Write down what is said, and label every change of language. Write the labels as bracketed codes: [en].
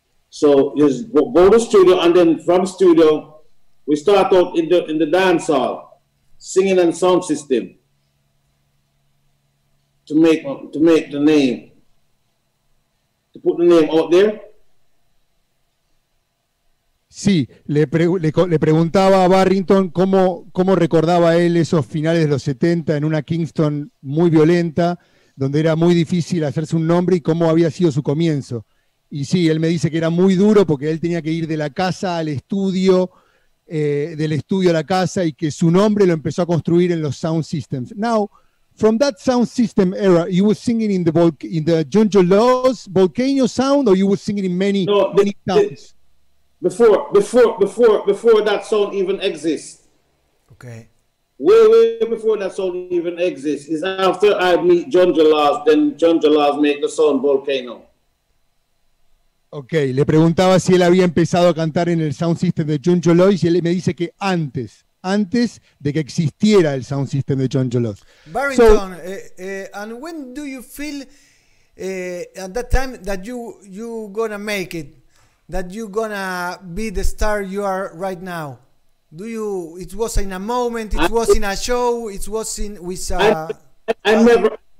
[en] So you just go to studio, and then from studio, we start out in the dance hall, singing and sound system to make the name, to put the name out there. [es] Sí, le preguntaba a Barrington cómo recordaba él esos finales de los 70 en una Kingston muy violenta, donde era muy difícil hacerse un nombre y cómo había sido su comienzo. Y sí, él me dice que era muy duro porque él tenía que ir de la casa al estudio, del estudio a la casa, y que su nombre lo empezó a construir en los sound systems. [en] Now, from that sound system era, you were singing in the Junjolos volcano sound, or you were singing in many, no, many sounds? Before that song even exists. Okay. Way before that song even exists. It's after I meet Junjolos, then Junjolos made the song Volcano. [es] Ok, le preguntaba si él había empezado a cantar en el sound system de Junjolos y él me dice que antes de que existiera el sound system de Junjolos. [en] Barrington, so, and when do you feel at that time that you gonna make it, that you gonna be the star you are right now? Do you? It was in a moment. It was in a show. It was in with. I never.